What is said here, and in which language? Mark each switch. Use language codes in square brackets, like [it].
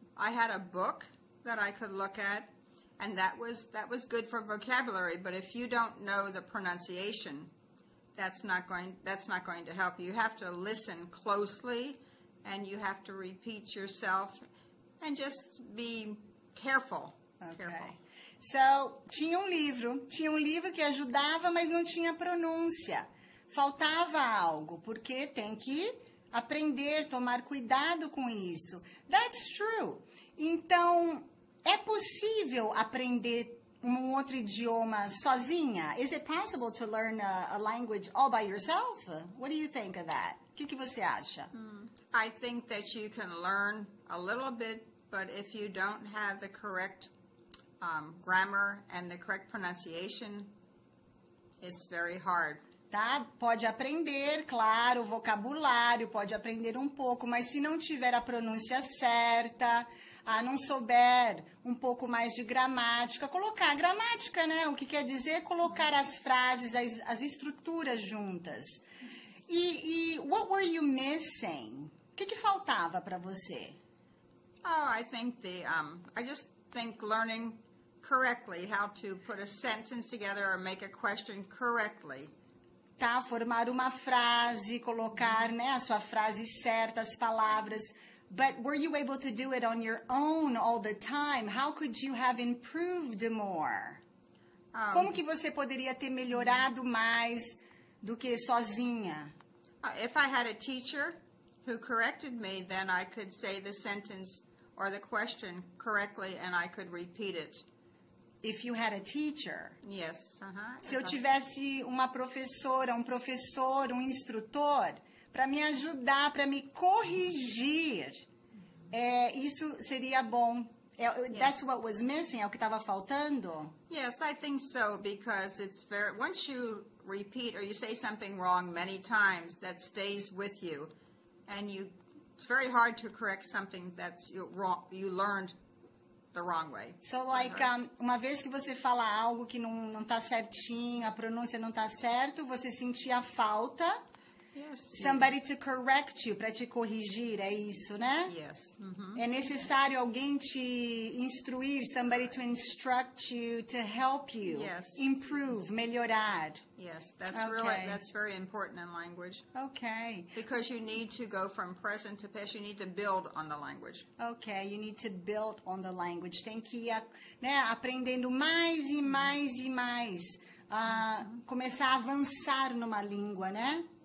[en] I had a book that I could look at. And that was good for vocabulary, but if you don't know the pronunciation, that's not going to help. You have to listen closely, and you have to repeat yourself, and just be careful. Okay. Careful. [pt] So, tinha um livro que ajudava, mas não tinha pronúncia. Faltava algo, porque tem que aprender, tomar cuidado com isso. [en] That's true. [pt] Então, é possível aprender um outro idioma sozinha? [en] Is it possible to learn a language all by yourself? What do you think of that? [pt] Que você acha? [en] I think that you can learn a little bit, but if you don't have the correct grammar and the correct pronunciation, it's very hard. [pt] Tá? Pode aprender, claro, o vocabulário, pode aprender um pouco, mas se não tiver a pronúncia certa, não souber um pouco mais de gramática, colocar a gramática, né? O que quer dizer colocar as frases, as estruturas juntas. E [en] what were you missing? [pt] O que faltava para você? [en] Oh, I think I just think learning correctly, how to put a sentence together or make a question correctly. [pt] Tá, formar uma frase, colocar, né, a sua frase certa, as palavras. [en] But were you able to do it on your own all the time? How could you have improved more? [pt] Como que você poderia ter melhorado mais do que sozinha? [en] If I had a teacher who corrected me, then I could say the sentence or the question correctly and I could repeat it. If you had a teacher. Yes. [pt] Se eu tivesse uma professora, um professor, um instrutor, para me ajudar, para me corrigir, isso seria bom. [en] That's what was missing, [pt] é o que estava faltando? [en] Yes, I think so, because it's very, once you repeat or you say something wrong many times, that stays with you. And it's very hard to correct something that's wrong, you learned the wrong way. [pt] So, like, uma vez que você fala algo que não tá certinho, a pronúncia não tá certo, você sentia falta. [en] somebody to correct you, [pt] para te corrigir, é isso, né? Yes. [en] Mm-hmm. [pt] É necessário alguém te instruir, [en] somebody to instruct you, to help you, yes, improve, [pt] melhorar. [en] Yes, that's okay. Really, that's very important in language. Okay. Because you need to go from present to past, you need to build on the language. Okay, you need to build on the language. [pt] Tem que ir, né, aprendendo mais e mais e mais, começar a avançar numa língua, né?